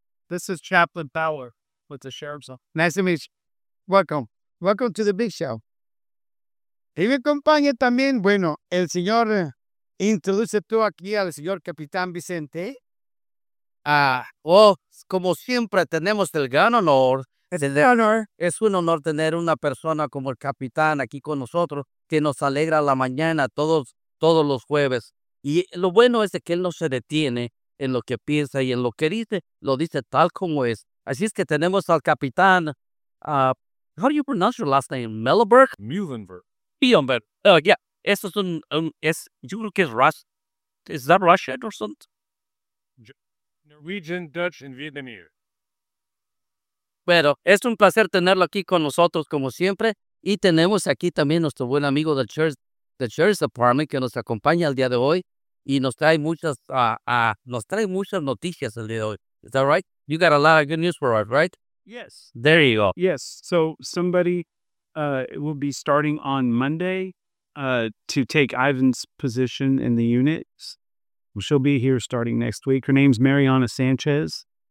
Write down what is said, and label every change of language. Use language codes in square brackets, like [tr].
[en] This is Chaplain Power with the Sheriff's Office. Nice to meet you. Welcome. Welcome to the big show. [es] Y me acompaña también, bueno, el señor, introduce tú aquí al señor Capitán Vicente. Ah, oh, como siempre tenemos el gran honor. Es un honor tener una persona como el capitán aquí con nosotros, que nos alegra la mañana todos los jueves. Y lo bueno es de que él no se detiene en lo que piensa y en lo que dice, lo dice tal como es. Así es que tenemos al capitán. [en] How do you pronounce your last name? [es] Mühlenberg? [en] Mühlenberg. Mühlenberg. Yeah. [es] Eso es es yo creo que es Russian. [en] Is that Russian or something? Norwegian, Dutch and Vietnamese. [es] Bueno, es un placer tenerlo aquí con nosotros, como siempre. Y tenemos aquí también nuestro buen amigo del Sheriff's Department, que nos acompaña el día de hoy y nos trae muchas noticias el día de hoy. [en] Is that right? You got a lot of good news for us, right? Yes. There you go. Yes. So somebody will be starting on Monday to take Ivan's position in the unit. She'll be here starting next week. Her name's Mariana Sanchez.